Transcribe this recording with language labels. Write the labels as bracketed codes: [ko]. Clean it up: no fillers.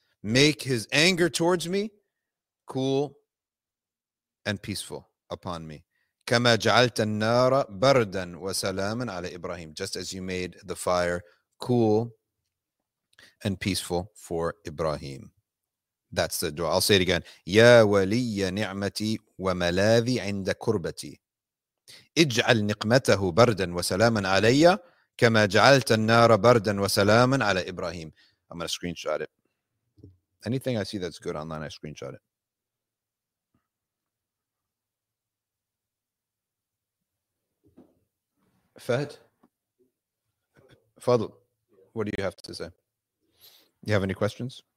[en] Make his anger towards me cool and peaceful upon me. [ar] Kama ja'alta an-nara bardan wa salaman ala Ibrahim. [en] Just as you made the fire cool and peaceful for Ibrahim. That's the dua. I'll say it again. [ar] Ya waliya ni'mati wa maladhi 'inda kurbati. اجعل نقمته بردا وسلاما علي كما جعلت النار بردا وسلاما على ابراهيم. [en] I'm gonna screenshot it. Anything I see that's good online, I screenshot it. Fahd, Fadl, what do you have to say? You have any questions?